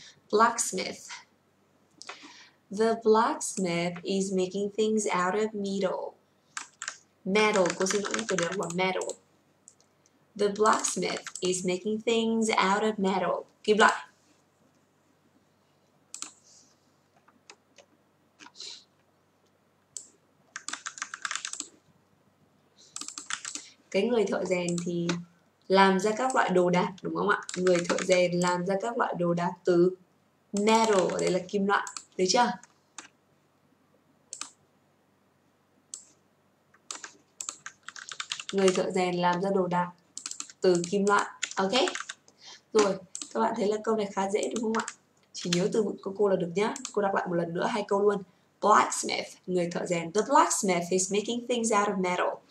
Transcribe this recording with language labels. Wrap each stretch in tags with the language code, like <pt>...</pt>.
<en>Blacksmith. The blacksmith is making things out of metal.</en> <vi>Metal, cô xin lỗi, tôi đọc là metal.</vi> <en>The blacksmith is making things out of metal.</en> <vi>Kim loại. Cái người thợ rèn thì làm ra các loại đồ đạc, đúng không ạ? Người thợ rèn làm ra các loại đồ đạc từ metal, đấy là kim loại, được chưa? Người thợ rèn làm ra đồ đạc từ kim loại. Ok. Rồi, các bạn thấy là câu này khá dễ đúng không ạ? Chỉ nhớ từ vựng của cô là được nhá. Cô đọc lại một lần nữa hai câu luôn. Blacksmith, người thợ rèn.</vi> <en>The blacksmith is making things out of metal.</en>